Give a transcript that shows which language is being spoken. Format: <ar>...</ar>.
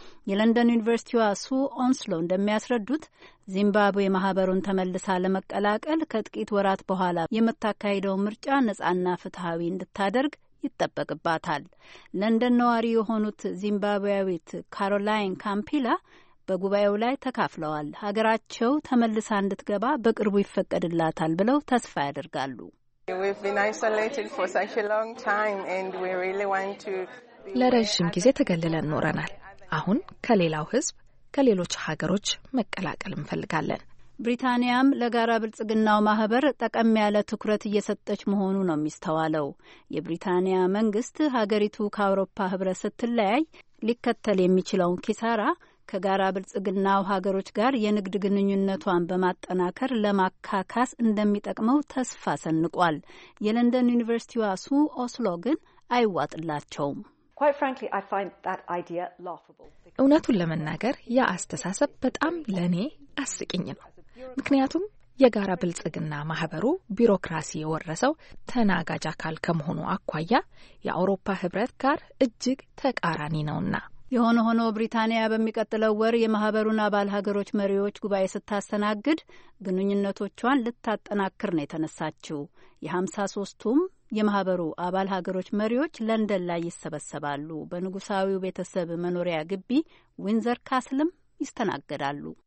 <am>የለንደን ዩኒቨርሲቲዋ ሱ ኦንስሎ እንደሚያስረዱት ዚምባብዌ ማህበሩን ተመልሳ ለመቀላቀል ከጥቂት ወራት በኋላ የምታካሂደው ምርጫ ነጻና ፍትሐዊ እንድታደርግ ይጠበቅባታል። ለንደን ነዋሪ የሆኑት ዚምባብዌያዊት ካሮላይን ካምፒላ በጉባኤው ላይ ተካፍለዋል። ሀገራቸው ተመልሳ እንድትገባ በቅርቡ ይፈቀድላታል ብለው ተስፋ ያደርጋሉ።</am> <en>We've been isolated for such a long time and we really want to</en> <am>ለረጅም ጊዜ ተገልለን ኖረናል። አሁን ከሌላው ህዝብ ከሌሎች ሀገሮች መቀላቀል እንፈልጋለን። ብሪታንያም ለጋራ ብልጽግናው ማህበር ጠቀም ያለ ትኩረት እየሰጠች መሆኑ ነው የሚስተዋለው። የብሪታንያ መንግስት ሀገሪቱ ከአውሮፓ ህብረት ስትለያይ ሊከተል የሚችለውን ኪሳራ ከጋራ ብልጽግናው ሀገሮች ጋር የንግድ ግንኙነቷን በማጠናከር ለማካካስ እንደሚጠቅመው ተስፋ ሰንቋል። የለንደን ዩኒቨርሲቲዋ ሱ ኦስሎ ግን አይዋጥላቸውም።</am> <en>Quite frankly, I find that idea laughable.</en> <am>እውነቱን ለመናገር ያ አስተሳሰብ በጣም ለኔ አስቂኝ ነው። ምክንያቱም የጋራ ብልጽግና ማህበሩ ቢሮክራሲ የወረሰው ተናጋጅ አካል ከመሆኑ አኳያ የአውሮፓ ህብረት ጋር እጅግ ተቃራኒ ነውና። የሆነ ሆኖ ብሪታንያ በሚቀጥለው ወር የማህበሩን አባል ሀገሮች መሪዎች ጉባኤ ስታስተናግድ ግንኙነቶቿን ልታጠናክር ነው የተነሳችው። የ53ቱም የማህበሩ አባል ሀገሮች መሪዎች ለንደን ላይ ይሰበሰባሉ። በንጉሳዊው ቤተሰብ መኖሪያ ግቢ ዊንዘር ካስልም ይስተናገዳሉ።</am>